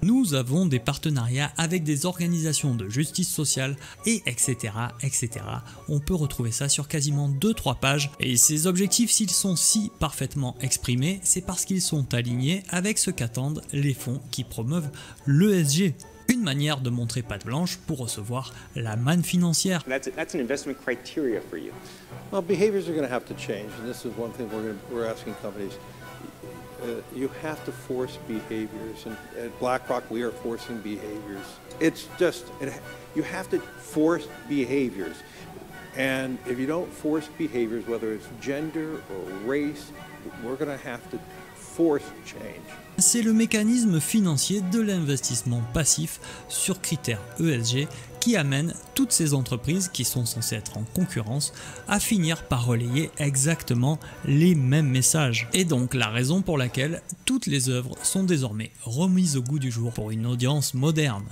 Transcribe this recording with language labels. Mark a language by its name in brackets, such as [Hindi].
[French] Nous avons des partenariats avec des organisations de justice sociale et etc etc. On peut retrouver ça sur quasiment 2-3 pages. Et ces objectifs, s'ils sont si parfaitement exprimés, c'est parce qu'ils sont alignés avec ce qu'attendent les fonds qui promeuvent l'ESG. Une manière de montrer patte blanche pour recevoir la manne financière. [English] That's an investment criteria for you. Well, behaviors are going to have to change, and this is one thing we're asking companies. You have to force behaviors, and at BlackRock we are forcing behaviors. It's just, you have to force behaviors, and if you don't force behaviors, whether it's gender or race, we're going to have to force change. [French] C'est le mécanisme financier de l'investissement passif sur critères ESG qui amène toutes ces entreprises qui sont censées être en concurrence à finir par relayer exactement les mêmes messages. Et donc la raison pour laquelle toutes les œuvres sont désormais remises au goût du jour pour une audience moderne.